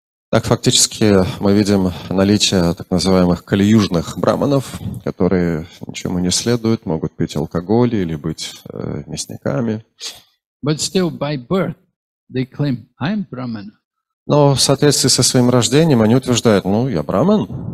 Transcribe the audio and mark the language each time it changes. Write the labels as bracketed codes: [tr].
[ru] Так фактически мы видим наличие так называемых калиюжных брахманов, которые ничему не следуют, могут пить алкоголь или быть мясниками. [en] But still, by birth, they claim, "I'm brahmana." [ru] Но в соответствии со своим рождением они утверждают: "Ну, я брахман."